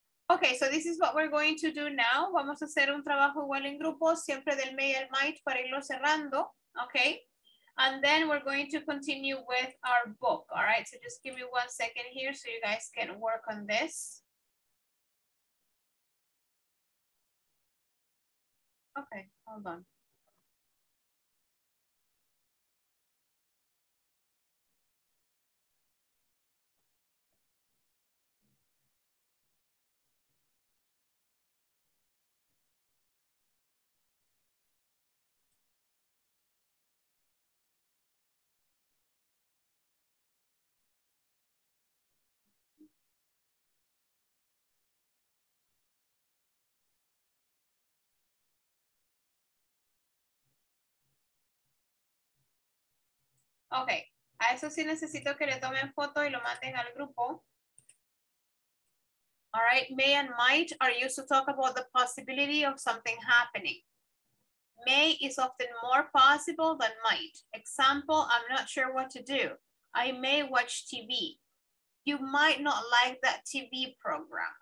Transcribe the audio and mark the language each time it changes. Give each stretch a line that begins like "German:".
English: Okay, so this is what we're going to do now.
Spanish: Vamos a hacer un trabajo igual en grupo, siempre del May al Might para irlo cerrando, okay?
English: And then we're going to continue with our book, all right? So just give me 1 second here so you guys can work on this. Okay, hold on.
Spanish: Okay, a eso sí necesito que le tomen foto y lo manden al grupo.
English: All right, may and might are used to talk about the possibility of something happening. May is often more possible than might. Example, I'm not sure what to do. I may watch TV. You might not like that TV program.